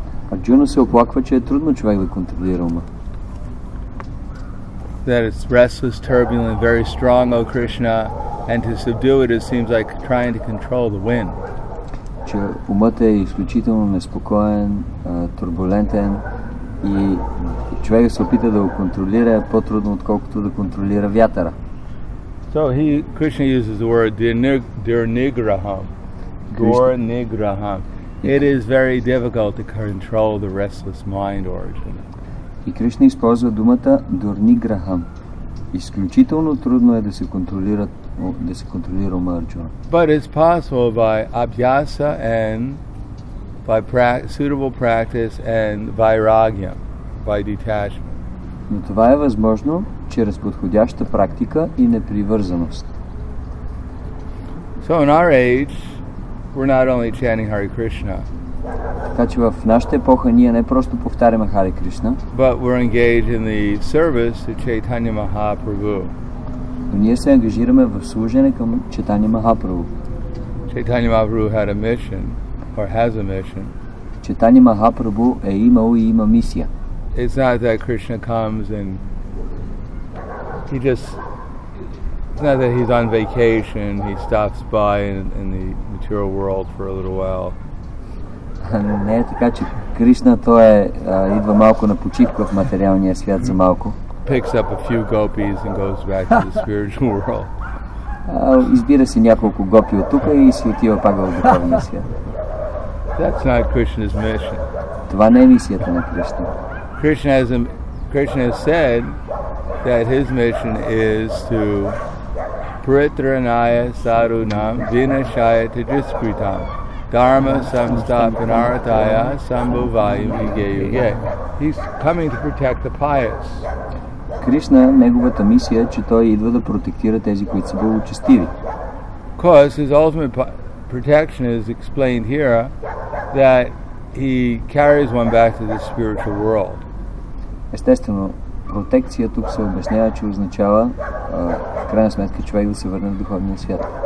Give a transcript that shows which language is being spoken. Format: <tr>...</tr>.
<bg>Arjuna се оплаква, че е трудно човек да контролира ума.</bg> <en>that it's restless, turbulent, very strong, O Krishna, and to subdue it, it seems like trying to control the wind.</en> <bg>Че умът е изключително неспокоен, турбулентен и човек се опита да го контролира по-трудно отколкото да контролира вятъра.</bg> <en>So he, Krishna uses the word dhirnigraham. Dhirnigraham. It is very difficult to control the restless mind origin.</en> <bg>И Кришна използва думата дурниграхам. Изключително трудно е да се контролира</bg> <en>But it's possible by abhyasa and by suitable practice and vairagya, by detachment.</en> <bg>Но това е възможно чрез подходяща практика и непривързаност.</bg> <en>So in our age, we're not only chanting Hare Krishna.</en> <bg>Така че в нашата епоха ние не просто повтаряме Хари Кришна,</bg> <en>but we're engaged in the service to Chaitanya Mahaprabhu.</en> <bg>Ние се ангажираме в служене към Чайтанья Махапрабху.</bg> <en>Чайтанья Махапрабху had a mission, or has a mission.</en> <bg>Чайтанья Махапрабху е имал и има мисия.</bg> <en>It's not that Krishna comes and he just, it's not that he's on vacation, he stops by in the material world for a little while.</en> <bg>Не е така, че Кришна той е, идва малко на почивка в материалния свят за малко.</bg> <en>Picks up a few gopis and goes back to the spiritual world.</en> <bg>Избира си няколко гопи от тука и си отива пак в духовния свят.</bg> <en>That's not Krishna's mission.</en> <bg>Това не е мисията на Кришна.</bg> <en>Krishna has said that his mission is to</en> <sa>pritranaya sarunam vinashaya tejuskritam dharma samstapanarataya sambhuvayu vigeyuge.</sa> <en>He's coming to protect the pious.</en> <bg>Кришна, неговата мисия е, че той идва да протектира тези, които са благочестиви.</bg> <en>Because his ultimate protection is explained here that he carries one back to the spiritual world.</en> <bg>Естествено, протекция тук се обяснява, че означава в крайна сметка човек да се върне в духовния свят.</bg>